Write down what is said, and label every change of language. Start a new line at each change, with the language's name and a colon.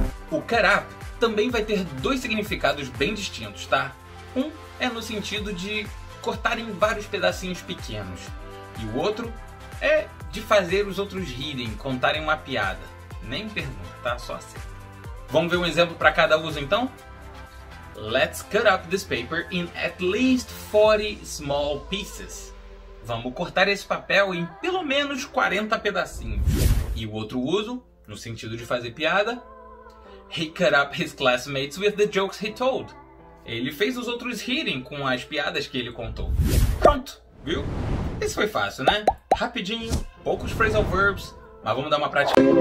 Portuguese: O cut up também vai ter dois significados bem distintos, tá? Um é no sentido de cortar em vários pedacinhos pequenos. E o outro é de fazer os outros rirem, contarem uma piada. Nem pergunta, tá? Só assim. Vamos ver um exemplo para cada uso, então?
English: Let's cut up this paper in at least 40 small pieces.
Portuguese: Vamos cortar esse papel em pelo menos 40 pedacinhos. E o outro uso, no sentido de fazer piada,
English: he cut up his classmates with the jokes he told.
Portuguese: Ele fez os outros rirem com as piadas que ele contou. Pronto, viu? Isso foi fácil, né? Rapidinho, poucos phrasal verbs, Mas vamos dar uma prática.